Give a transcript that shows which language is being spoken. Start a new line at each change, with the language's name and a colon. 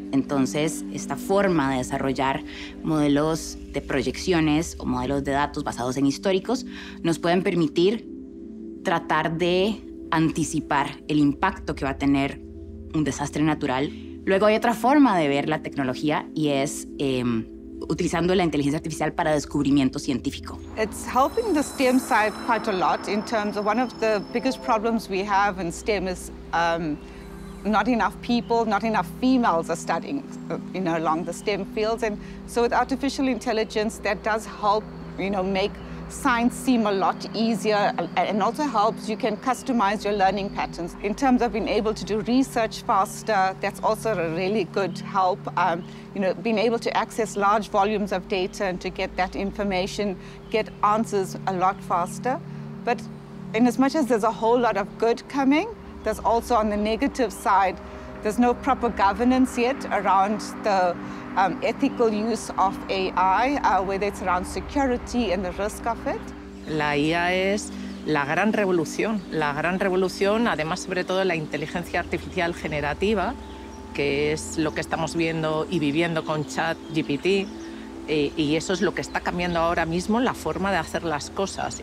Spanish: Entonces, esta forma de desarrollar modelos de proyecciones o modelos de datos basados en históricos nos pueden permitir tratar de anticipar el impacto que va a tener un desastre natural. Luego hay otra forma de ver la tecnología y es utilizando la inteligencia artificial para descubrimiento científico.
English: It's helping the STEM side quite a lot in terms of one of the biggest problems we have in STEM is not enough people, not enough females are studying, you know, along the STEM fields. And so with artificial intelligence, that does help, you know, make science seem a lot easier and also helps you can customize your learning patterns. In terms of being able to do research faster, that's also a really good help. You know, being able to access large volumes of data and to get that information, get answers a lot faster. But in as much as there's a whole lot of good coming, there's also on the negative side, there's no proper governance yet around the ethical use of AI, whether it's around security and the risk of it.
Spanish: La IA es la gran revolución, además sobre todo la inteligencia artificial generativa, que es lo que estamos viendo y viviendo con ChatGPT, y eso es lo que está cambiando ahora mismo la forma de hacer las cosas.